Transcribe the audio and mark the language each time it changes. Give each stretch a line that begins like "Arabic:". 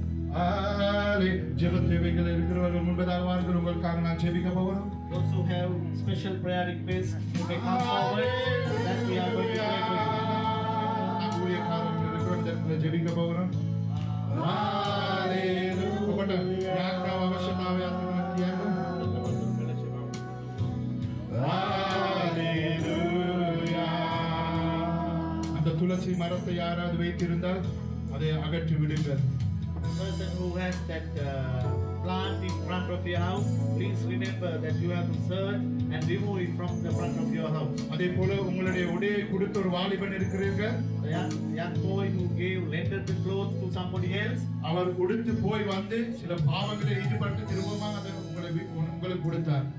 Tamil: அந்த துளசி மரத்தை யாராவது வைத்திருந்தால் அதை அகற்றி விடுங்கள்.
English: Person who has that plant in front of your house, please remember that you have to search and remove it from the front of your house.
Tamil: அதே போல உங்களுடைய உடைய கொடுத்த ஒரு வாலிபன் இருக்கிறீங்க,
English: young boy who gave lent the clothes to somebody else,
Tamil: அவர் கொடுத்து போய் வந்து சில பாவங்களை ஈடுபட்டு திரும்பமாக அதை உங்களுக்கு கொடுத்தார்.